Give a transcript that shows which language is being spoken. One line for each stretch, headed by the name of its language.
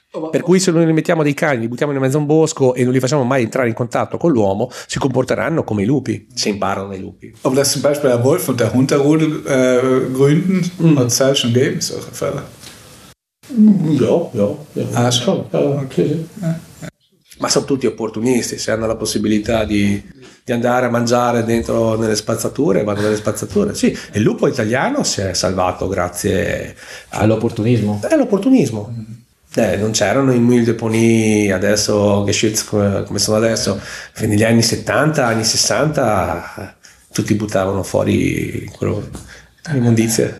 Italian: Per cui se noi li mettiamo dei cani, li buttiamo in mezzo a un bosco e non li facciamo mai entrare in contatto con l'uomo, si comporteranno come i lupi, se imparano dai lupi.
German: Ob das zum Beispiel der Wolf und der Hund der Rudel gründen, hat es schon gegeben, solche Fälle? Ja. Ah, schon?
Italian: Ma sono tutti opportunisti, se hanno la possibilità di andare a mangiare dentro nelle spazzature, vanno nelle spazzature. Sì, e il lupo italiano si è salvato grazie all'opportunismo. All'opportunismo. Non c'erano i mille deponi adesso che come sono adesso, negli anni 70, anni 60, tutti buttavano fuori quello, l'immondizia.